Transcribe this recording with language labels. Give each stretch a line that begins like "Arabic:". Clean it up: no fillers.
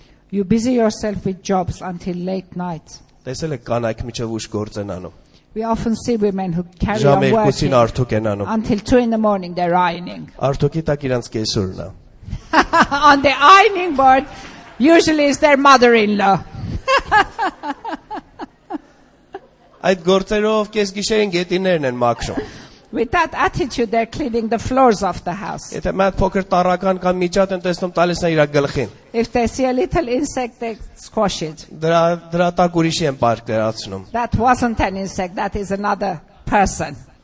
English: You busy yourself with jobs until late night. We often see women who carry on working until 2 in the morning, they're ironing. On the ironing board, usually is their mother-in-law.
Armenian: Այդ գործերով կես գիշերին գետիներն են մաքրում.
English: With that attitude, they're cleaning the floors of the house. If they see a little insect, they squash it. That wasn't an insect, that is another person.